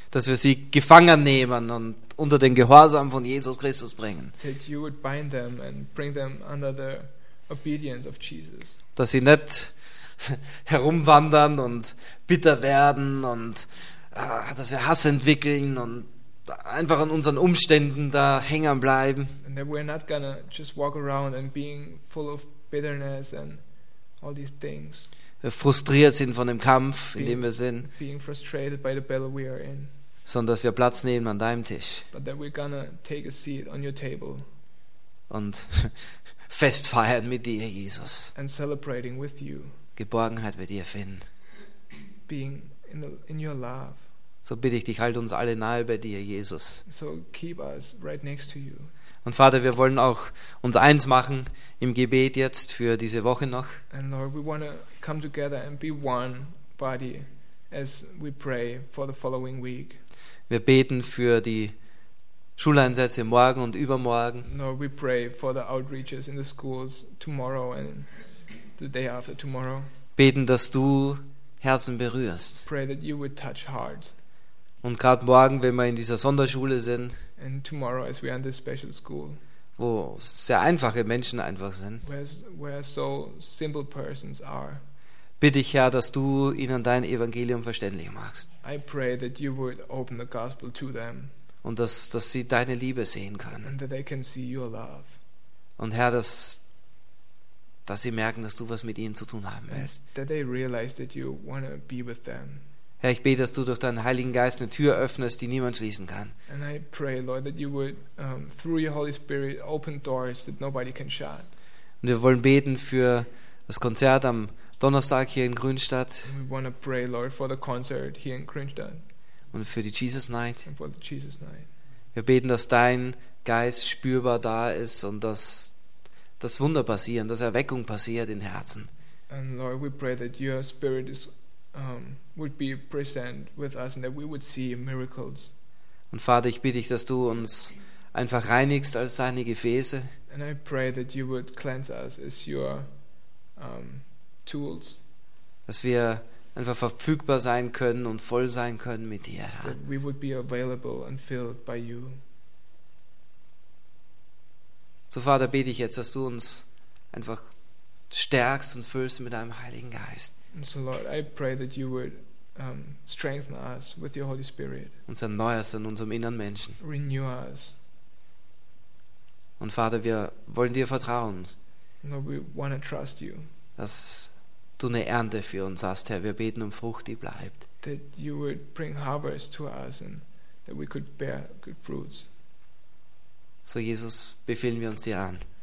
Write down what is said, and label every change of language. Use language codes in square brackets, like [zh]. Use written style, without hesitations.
[de] Dass wir sie gefangen nehmen und unter den Gehorsam von Jesus Christus bringen. [en] That you would bind them and bring them under the obedience of Jesus. [de] Dass sie nicht herumwandern und bitter werden und dass wir Hass entwickeln und einfach an unseren Umständen da hängen bleiben. [en] And that we're not gonna just walk around and being full of bitterness and all these things. [de] Wir frustriert sind von dem Kampf, in dem wir sind. [en] Being frustrated by the battle we are in. [de] Sondern dass wir Platz nehmen an deinem Tisch. [en] But that we're gonna take a seat on your table. [de] Und fest feiern mit dir, Jesus. [en] And celebrating with you. [de] Geborgenheit bei dir finden. [en] Being in your love. [de] So bitte ich dich, halt uns alle nahe bei dir, Jesus. [en] So keep us right next to you. [de] Und Vater, wir wollen auch uns eins machen im Gebet jetzt für diese Woche noch. [en] And Lord, we want to come together and be one body as we pray for the following week. [de] Wir beten für die Schuleinsätze morgen und übermorgen. [en] Lord, we pray for the outreaches in the schools tomorrow and the day after tomorrow. [de] Beten, dass du Herzen berührst. [en] Pray that you would touch hearts. [de] Und gerade morgen, wenn wir in dieser Sonderschule sind, [en] and tomorrow, as we are in this special school, [de] wo sehr einfache Menschen einfach sind, [en] where so simple persons are, [de] bitte ich, Herr, dass du ihnen dein Evangelium verständlich machst. [en] I pray that you would open the gospel to them, [de] und dass sie deine Liebe sehen können. [en] And that they can see your love. [de] Und Herr, dass sie merken, dass du was mit ihnen zu tun haben willst. [en] That they realize that you want to be with them. [de] Herr, ich bete, dass du durch deinen Heiligen Geist eine Tür öffnest, die niemand schließen kann. [en] And I pray, Lord, that you would through your Holy Spirit open doors that nobody can shut. [de] Und wir wollen beten für das Konzert am Donnerstag hier in Grünstadt. [en] We want to pray, Lord, for the concert here in Grünstadt. [de] Und für die Jesus Night. [en] And for the Jesus Night. [de] Wir beten, dass dein Geist spürbar da ist und dass Wunder passieren, dass Erweckung passiert in Herzen. [en] And Lord, we pray that your Spirit is would be present with us and that we would see miracles. [de] Und Vater, ich bitte dich, dass du uns einfach reinigst als deine Gefäße. [en] And I pray that you would cleanse us as your tools. [de] Dass wir einfach verfügbar sein können und voll sein können mit dir. [en] That we would be available and filled by you. [de] So Vater, bitte ich jetzt, dass du uns einfach stärkst und füllst mit deinem Heiligen Geist. [en] And so Lord, I pray that you would strengthen us with your Holy Spirit. [de] Uns erneuerst in unserem inneren Menschen. [en] Renew us. [de] Und Vater, wir wollen dir vertrauen. [en] Lord, we want to trust you. [de] Dass du eine Ernte für uns hast, Herr. Wir beten um Frucht, die bleibt. [en] That you would bring harvest to us and that we could bear good fruits. [de] So Jesus, befehlen wir uns dir an.